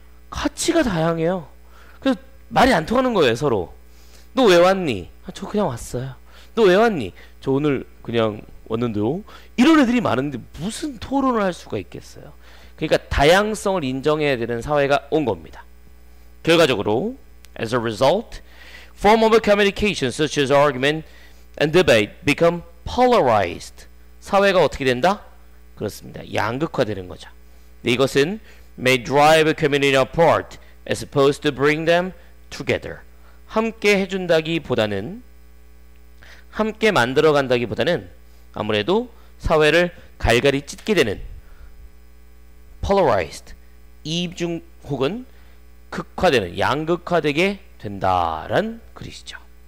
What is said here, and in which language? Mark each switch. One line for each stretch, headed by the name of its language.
Korean: 가치가 다양해요. 그래서 말이 안 통하는 거예요 서로. 너 왜 왔니? 아, 저 그냥 왔어요. 너 왜 왔니? 저 오늘 그냥 왔는데요. 이런 애들이 많은데 무슨 토론을 할 수가 있겠어요. 그러니까 다양성을 인정해야 되는 사회가 온 겁니다. 결과적으로
English: as a result form of communication such as argument and debate become polarized.
Korean: 사회가 어떻게 된다? 그렇습니다. 양극화되는 거죠. 이것은
English: may drive a community apart as opposed to bring them together.
Korean: 함께 해준다기보다는 함께 만들어간다기보다는 아무래도 사회를 갈갈이 찢게 되는 polarized 이중 혹은 극화되는 양극화되게 된다란 글이시죠.